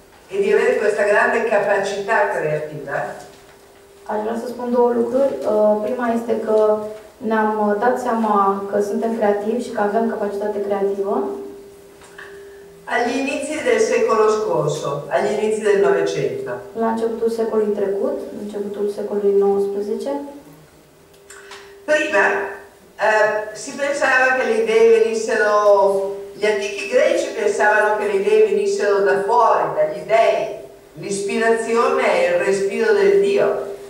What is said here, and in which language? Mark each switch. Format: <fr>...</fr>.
<it>e di avere questa grande capacità creativa.</it> <ro>Aș vrea să spun două lucruri. Prima este că ne-am dat seama că suntem creativi și că avem capacitate creativă.</ro> <it>Agli inizi del secolo scorso, agli inizi del Novecento.</it> <ro>La începutul secolului trecut, începutul secolului 19.</ro> <it>Prima, si pensava che le idee venissero, gli antichi greci pensavano che le idee venissero da fuori, dagli dei. L'ispirazione è il respiro del Dio.</it>